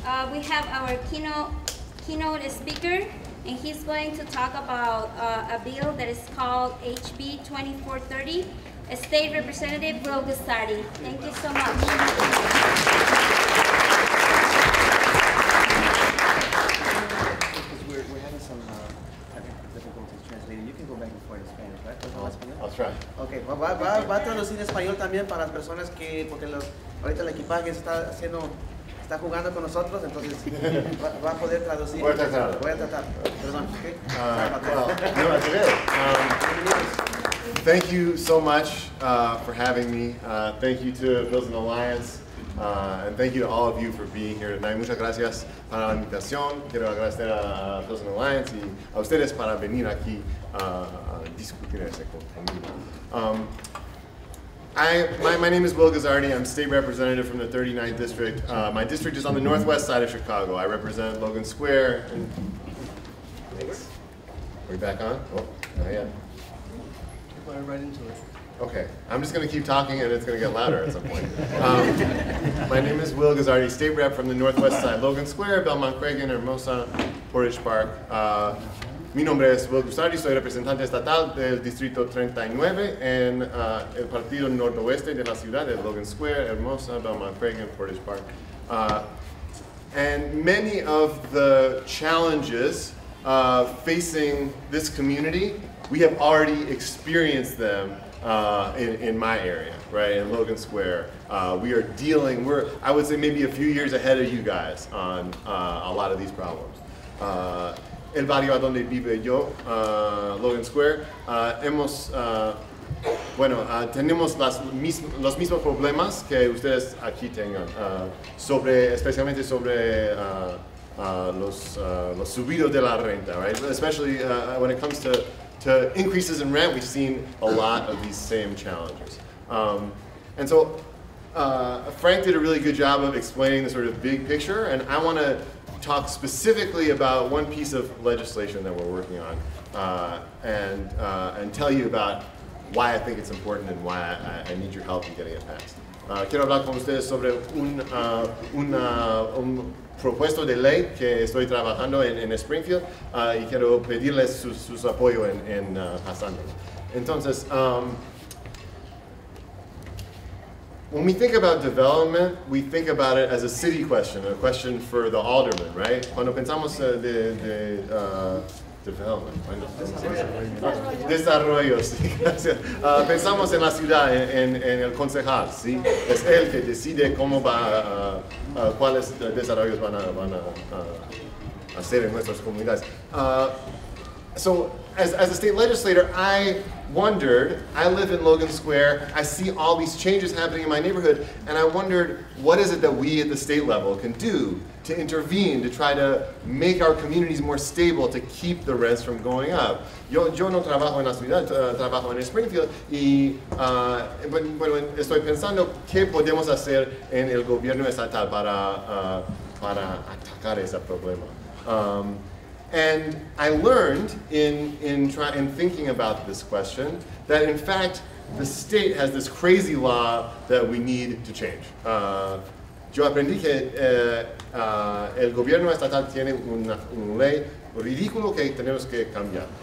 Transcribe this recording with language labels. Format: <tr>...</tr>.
<en>We have our keynote speaker, and he's going to talk about a bill that is called HB 2430, State Representative Will Guzzardi. Thank you so much. Because we're having some technical difficulties translating, you can go back and forth in Spanish, right? I'll try.</en> <es>Okay, va a traducir español también para las personas que, porque ahorita el equipaje está haciendo. Está jugando con nosotros, entonces va a poder traducir. Voy a tratar. Perdón. ¿Qué?</es> <en>Thank you so much for having me. Thank you to Pilsen Alliance. And thank you to all of you for being here tonight.</en> <es>Muchas gracias para la invitación. Quiero agradecer a Pilsen Alliance y a ustedes para venir aquí a discutir ese conmigo.</es> <en>My name is Will Guzzardi. I'm state representative from the 39th district. My district is on the northwest side of Chicago. I represent Logan Square. And thanks. Are we back on? Keep going right into it. Okay. I'm just going to keep talking and it's going to get louder at some point. My name is Will Guzzardi, state rep from the northwest side. Logan Square, Belmont Cragen, Hermosa, Portage Park.</en> <es>Mi nombre es Will Guzzardi, soy representante estatal del Distrito 39 en el partido noroeste de la ciudad, de Logan Square, Hermosa, Belmont Cragen, Portage Park.</es> <en>And many of the challenges facing this community we have already experienced them in my area, right, in Logan Square. We're, I would say, maybe a few years ahead of you guys on a lot of these problems.</en> <es>El barrio a donde vive yo, Logan Square, hemos, bueno, tenemos los mismos problemas que ustedes aquí tengan, sobre, especialmente sobre los subidos de la renta, right?</es> <en>Especially when it comes to increases in rent, we've seen a lot of these same challenges. And so Frank did a really good job of explaining the sort of big picture, and I want to talk specifically about one piece of legislation that we're working on and tell you about why I think it's important and why I need your help in getting it passed.</en> <es>Quiero hablar con ustedes sobre un propuesto de ley que estoy trabajando en Springfield y quiero pedirles su apoyo en pasando. Entonces,</es> <en>when we think about development, we think about it as a city question, a question for the alderman, right?</en> <es>Cuando pensamos de development, desarrollo, sí. Pensamos en la ciudad, en el concejal, sí. Es él que decide cómo va, cuáles desarrollos van a hacer en nuestras comunidades.</es> <en>So, as a state legislator, I wondered, I live in Logan Square, I see all these changes happening in my neighborhood, and I wondered, what is it that we at the state level can do to intervene, to try to make our communities more stable, to keep the rents from going up?</en> <es>Yo no trabajo en la ciudad, trabajo en Springfield, y bueno, estoy pensando, ¿qué podemos hacer en el gobierno estatal para atacar ese problema?</es> <en>And I learned in thinking about this question that in fact the state has this crazy law that we need to change.</en> <es>Yo aprendí que el gobierno estatal tiene un ley ridículo que tenemos que cambiar.</es>